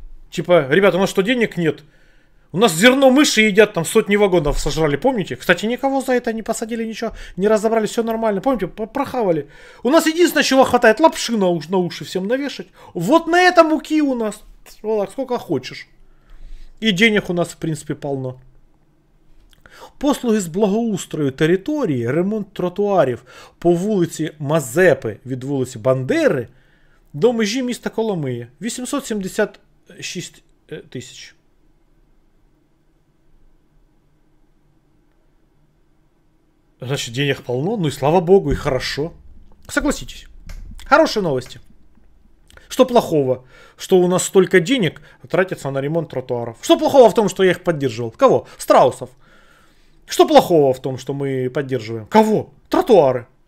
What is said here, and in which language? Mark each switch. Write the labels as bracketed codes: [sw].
[ru] Типа, ребята, у нас что, денег нет? У нас зерно мыши едят, там сотни вагонов сожрали, помните? Кстати, никого за это не посадили, ничего, не разобрали, все нормально, помните, прохавали. У нас единственное, чего хватает, лапши на уши всем навешать. Вот на это муки у нас, Волок, сколько хочешь. И денег у нас, в принципе, полно. [uk] Послуги з благоустрою території, ремонт тротуарів по вулиці Мазепи від вулиці Бандери до межі міста Коломиї. 876 тисяч. [ru] Значить, денег полно, ну і слава Богу, і хорошо. [uk] Согласіться, хороші новості. [ru] Что плохого, что у нас столько денег тратится на ремонт тротуаров? Что плохого в том, что я их поддерживал? Кого? Страусов. Что плохого в том, что мы поддерживаем? Кого? Тротуары.